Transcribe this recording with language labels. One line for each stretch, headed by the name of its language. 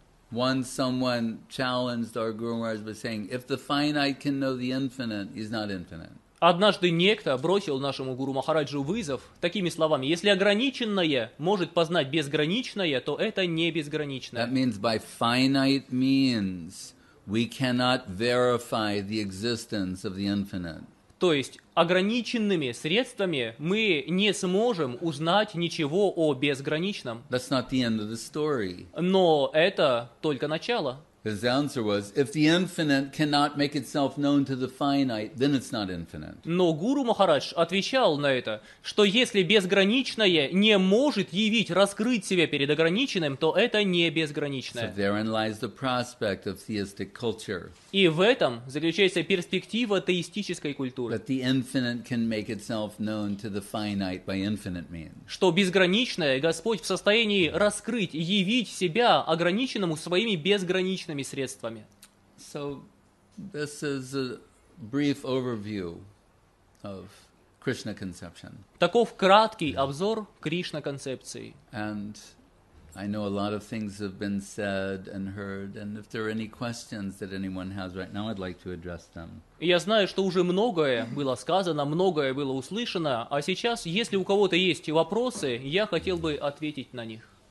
English: Once someone challenged our Guru Maharaj by saying, if the finite can know the infinite, he's not infinite.
Russian: Однажды некто бросил нашему Гуру Махараджу вызов такими словами: если ограниченное может познать безграничное, то это не безграничное.
English: That means by finite means we cannot verify the existence of the infinite.
Russian: То есть ограниченными средствами мы не сможем узнать ничего о безграничном.
English: That's not the end of the story.
Russian: Но это только начало.
English: His answer was, if the infinite cannot make itself known to the finite, then it's not infinite.
Russian: Но Гуру Махарадж отвечал на это, что если безграничное не может явить, раскрыть себя перед ограниченным, то это не безграничное.
English: So therein lies the prospect of theistic culture.
Russian: И в этом заключается перспектива теистической культуры.
English: That the infinite can make itself known to the finite by infinite means.
Russian: Что безграничное Господь в состоянии раскрыть, явить себя ограниченному своими безграничными.
English: So, this is a brief overview of Krishna conception.
Russian: Таков краткий обзор Кришна концепции.
English: And I know a lot of things have been said and heard. And if there are any questions that anyone has right now, I'd like to address them.
Russian: Я знаю, что уже многое было сказано, многое было услышано. А сейчас, если у кого-то есть вопросы, я хотел бы ответить на них.